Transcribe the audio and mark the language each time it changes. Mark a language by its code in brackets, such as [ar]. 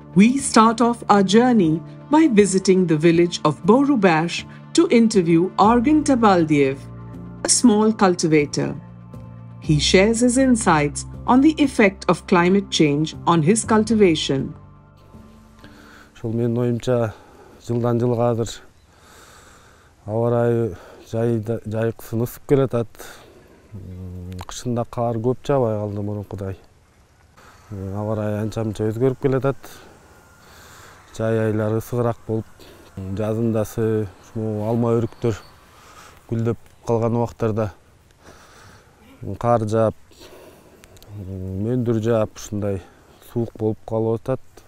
[en] We start off our journey by visiting the village of Borubash to interview Argun Tabaldiev, a small cultivator. He shares his insights on the effect of climate change on his cultivation. [ky] Шол мен ойымча жылдан жылга азыр аба рай жайык сынып келатат. Кышында кар көп жабай калды мурун кудай. Аба рай анча-мынча өзгөрүп келатат. жай айлары ысыгыраак болуп, жазындасы ушу алма өрүктөр гүлдөп калган убактарда кар жаап, мөндүр жаап ушундай суук болуп калып атат.